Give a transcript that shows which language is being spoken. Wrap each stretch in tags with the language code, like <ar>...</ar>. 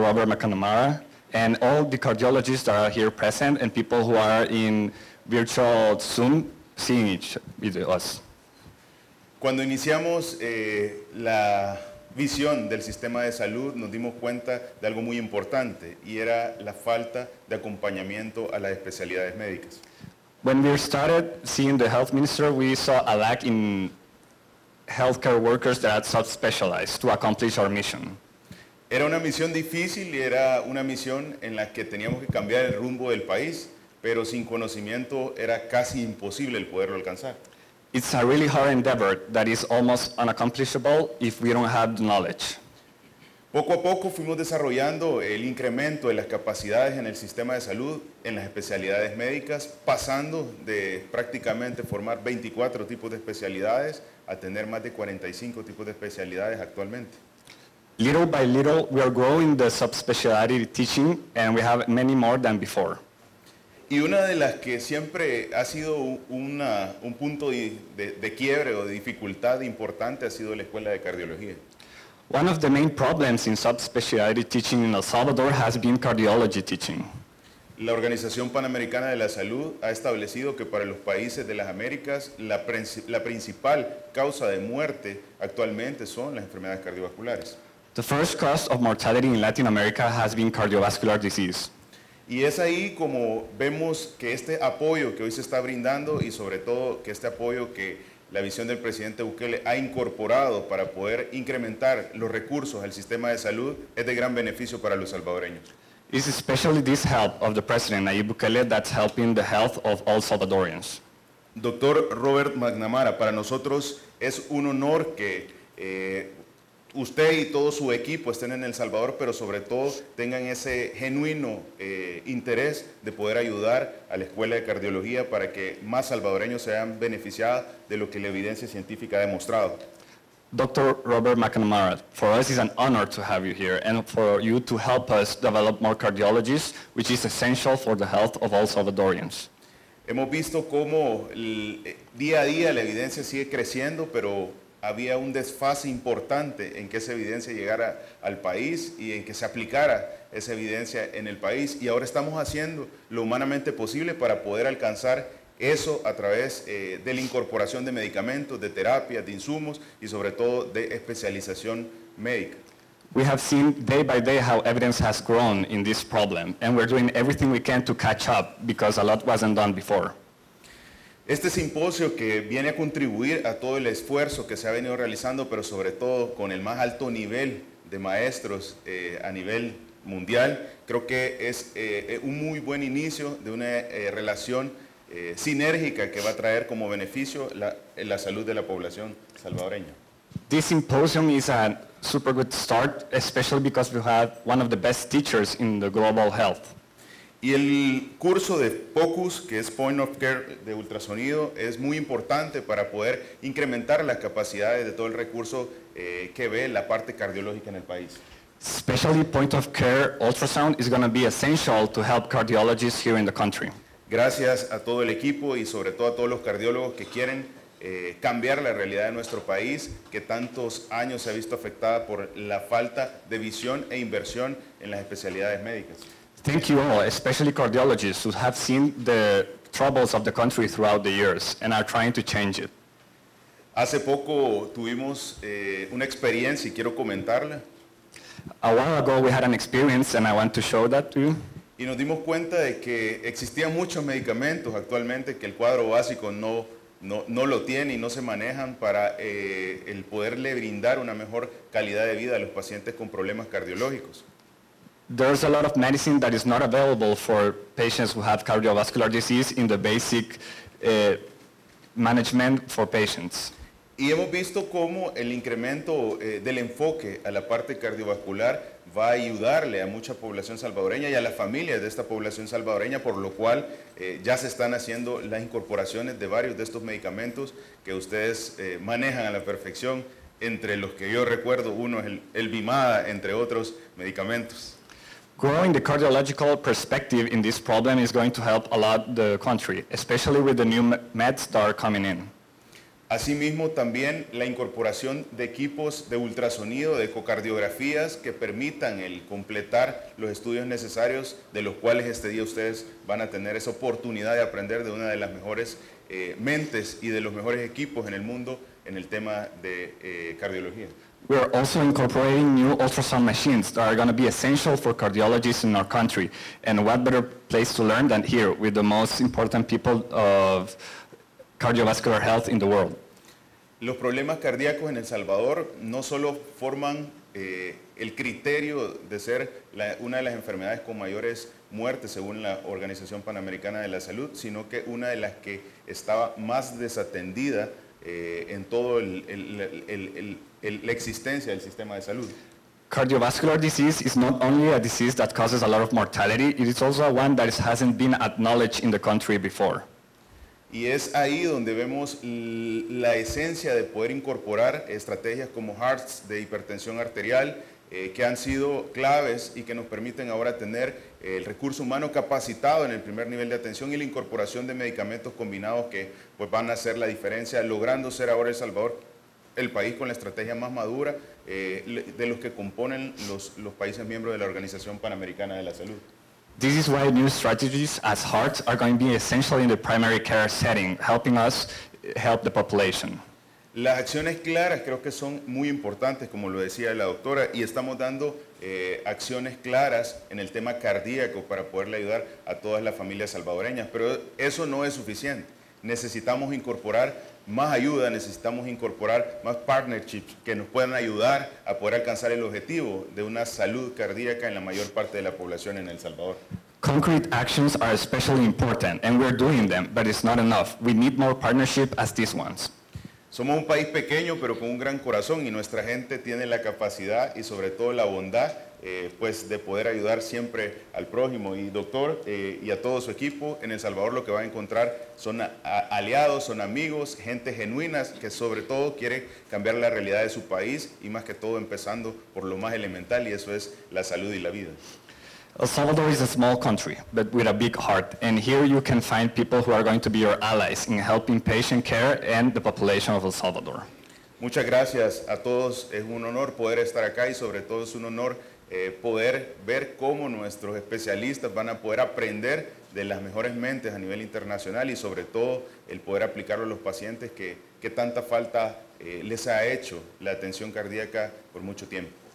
<en>Robert McNamara, and all the cardiologists that are here present and people who are in virtual Zoom seeing each with us.</en> <es>Cuando iniciamos la visión del sistema de salud, nos dimos cuenta de algo muy importante y era la falta de acompañamiento a las especialidades médicas.</es> <en>When we started seeing the health minister, we saw a lack in healthcare workers that are subspecialized to accomplish our mission.</en> <es>Era una misión difícil y era una misión en la que teníamos que cambiar el rumbo del país, pero sin conocimiento era casi imposible el poderlo alcanzar.</es> <en>It's a really hard endeavor that is almost unaccomplishable if we don't have the knowledge.</en> <es>Poco a poco fuimos desarrollando el incremento de las capacidades en el sistema de salud, en las especialidades médicas, pasando de prácticamente formar 24 tipos de especialidades a tener más de 45 tipos de especialidades actualmente.</es> <en>Little by little, we are growing the subspecialty teaching, and we have many more than before.</en> <es>Y una de las que siempre ha sido un punto de quiebre o de dificultad importante ha sido la escuela de cardiología.</es> <en>One of the main problems in subspecialty teaching in El Salvador has been cardiology teaching.</en> <es>La Organización Panamericana de la Salud ha establecido que para los países de las Américas la principal causa de muerte actualmente son las enfermedades cardiovasculares.</es> <en>The first cause of mortality in Latin America has been cardiovascular disease.</en> <es>Y es ahí como vemos que este apoyo que hoy se está brindando y sobre todo que este apoyo que la visión del presidente Bukele ha incorporado para poder incrementar los recursos al sistema de salud es de gran beneficio para los salvadoreños.</es> <en>It's especially this help of the president Nayib Bukele that's helping the health of all Salvadorians.</en> <es>Doctor Robert McNamara, para nosotros es un honor que usted y todo su equipo estén en El Salvador, pero sobre todo tengan ese genuino interés de poder ayudar a la Escuela de Cardiología para que más salvadoreños sean beneficiados de lo que la evidencia científica ha demostrado.</es> <en>Dr. Robert McNamara, for us it's an honor to have you here and for you to help us develop more cardiologists, which is essential for the health of all Salvadorians.</en> <es>Hemos visto cómo día a día la evidencia sigue creciendo, pero había un desfase importante en que esa evidencia llegara al país y en que se aplicara esa evidencia en el país. Y ahora estamos haciendo lo humanamente posible para poder alcanzar eso a través de la incorporación de medicamentos, de terapias, de insumos y sobre todo de especialización médica.</es> <en>We have seen day by day how evidence has grown in this problem, and we're doing everything we can to catch up because a lot wasn't done before.</en> <es>Este simposio que viene a contribuir a todo el esfuerzo que se ha venido realizando, pero sobre todo con el más alto nivel de maestros a nivel mundial, creo que es un muy buen inicio de una relación sinérgica que va a traer como beneficio la salud de la población salvadoreña.</es> <en>This symposium is a super good start, especially because we have one of the best teachers in the global health.</en> <es>Y el curso de POCUS, que es Point of Care de Ultrasonido, es muy importante para poder incrementar las capacidades de todo el recurso que ve la parte cardiológica en el país.</es> <en>Especially Point of Care Ultrasound is going to be essential to help cardiologists here in the country.</en> <es>Gracias a todo el equipo y sobre todo a todos los cardiólogos que quieren cambiar la realidad de nuestro país, que tantos años se ha visto afectada por la falta de visión e inversión en las especialidades médicas.</es> <en>Thank you all, especially cardiologists who have seen the troubles of the country throughout the years and are trying to change it.</en> <es>Hace poco tuvimos una experiencia y quiero comentarla.</es> <en>A while ago we had an experience and I want to show that to you.</en> <es>Y nos dimos cuenta de que existían muchos medicamentos actualmente que el cuadro básico no lo tiene y no se manejan para el poderle brindar una mejor calidad de vida a los pacientes con problemas cardiológicos.</es> <en>There's a lot of medicine that is not available for patients who have cardiovascular disease in the basic management for patients.</en> <es>Y hemos visto cómo el incremento del enfoque a la parte cardiovascular va a ayudarle a mucha población salvadoreña y a las familias de esta población salvadoreña, por lo cual ya se están haciendo las incorporaciones de varios de estos medicamentos que ustedes manejan a la perfección, entre los que yo recuerdo uno es el Vimada, entre otros medicamentos.</es> <en>Growing the cardiological perspective in this problem is going to help a lot the country, especially with the new meds that are coming in.</en> <es>Asimismo, también la incorporación de equipos de ultrasonido, de ecocardiografías, que permitan el completar los estudios necesarios, de los cuales este día ustedes van a tener esa oportunidad de aprender de una de las mejores mentes y de los mejores equipos en el mundo en el tema de cardiología.</es> <en>We are also incorporating new ultrasound machines that are going to be essential for cardiologists in our country. And what better place to learn than here with the most important people of cardiovascular health in the world.</en> <es>Los problemas cardíacos en El Salvador no solo forman el criterio de ser una de las enfermedades con mayores muertes según la Organización Panamericana de la Salud, sino que una de las que estaba más desatendida en todo la existencia del sistema de salud.</es> <en>Cardiovascular disease is not only a disease that causes a lot of mortality, it is also one that hasn't been acknowledged in the country before.</en> <es>Y es ahí donde vemos la esencia de poder incorporar estrategias como HEARTS de hipertensión arterial, que han sido claves y que nos permiten ahora tener el recurso humano capacitado en el primer nivel de atención y la incorporación de medicamentos combinados que pues van a hacer la diferencia, logrando ser ahora El Salvador el país con la estrategia más madura de los que componen los países miembros de la Organización Panamericana de la Salud.</es> <en>This is why new strategies as HEARTS are going to be essential in the primary care setting, helping us help the population.</en> <es>Las acciones claras creo que son muy importantes, como lo decía la doctora, y estamos dando acciones claras en el tema cardíaco para poderle ayudar a todas las familias salvadoreñas, pero eso no es suficiente. Necesitamos incorporar más ayuda, necesitamos incorporar más partnerships que nos puedan ayudar a poder alcanzar el objetivo de una salud cardíaca en la mayor parte de la población en El Salvador.</es> <en>Concrete actions are especially important, and we're doing them, but it's not enough. We need more partnership as these ones.</en> <es>Somos un país pequeño, pero con un gran corazón, y nuestra gente tiene la capacidad y sobre todo la bondad pues de poder ayudar siempre al prójimo. Y doctor, y a todo su equipo, en El Salvador lo que van a encontrar son aliados, son amigos, gente genuina que sobre todo quiere cambiar la realidad de su país y más que todo empezando por lo más elemental, y eso es la salud y la vida.</es> <en>El Salvador is a small country, but with a big heart. And here you can find people who are going to be your allies in helping patient care and the population of El Salvador.</en> <es>Muchas gracias a todos. Es un honor poder estar acá, y sobre todo es un honor poder ver cómo nuestros especialistas van a poder aprender de las mejores mentes a nivel internacional, y sobre todo el poder aplicarlo a los pacientes que tanta falta les ha hecho la atención cardíaca por mucho tiempo.</es>